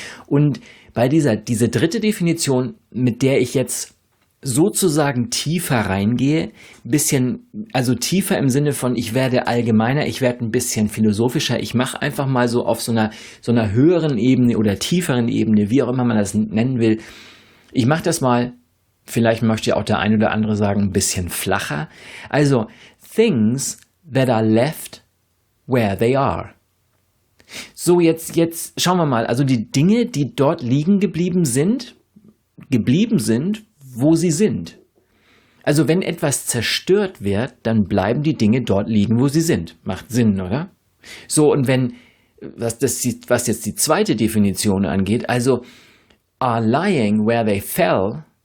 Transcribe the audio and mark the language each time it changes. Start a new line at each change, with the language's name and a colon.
German: Und bei diese dritte Definition, mit der ich jetzt sozusagen tiefer reingehe, bisschen, also tiefer im Sinne von, ich werde allgemeiner, ich werde ein bisschen philosophischer, ich mache einfach mal so auf so einer höheren Ebene oder tieferen Ebene, wie auch immer man das nennen will, ich mache das mal. Vielleicht möchte auch der ein oder andere sagen, ein bisschen flacher.
English: Also, things that are left where they are.
German: So, jetzt schauen wir mal. Also, die Dinge, die dort liegen geblieben sind, wo sie sind. Also, wenn etwas zerstört wird, dann bleiben die Dinge dort liegen, wo sie sind. Macht Sinn, oder? So, und wenn, was jetzt die zweite Definition angeht, also,
English: are lying where they fell.